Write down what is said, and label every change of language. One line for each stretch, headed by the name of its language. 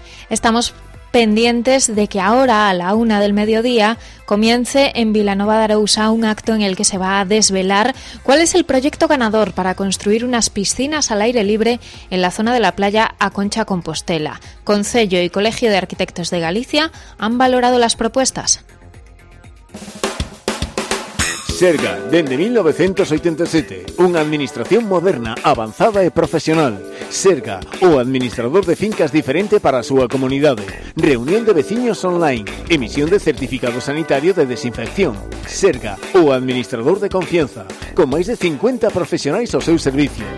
Spanish: Estamos pendientes de que ahora, a la 1 del mediodía, comience en Vilanova de Arousa un acto en el que se va a desvelar cuál es el proyecto ganador para construir unas piscinas al aire libre en la zona de la playa A Concha Compostela. Concello y Colegio de Arquitectos de Galicia han valorado las propuestas.
Galician: Serga, dende 1987, unha administración moderna, avanzada e profesional. Serga, o administrador de fincas diferente para a súa comunidade. Reunión de veciños online, emisión de certificado sanitario de desinfección. Serga, o administrador de confianza, con máis de 50 profesionais ao seu servicio.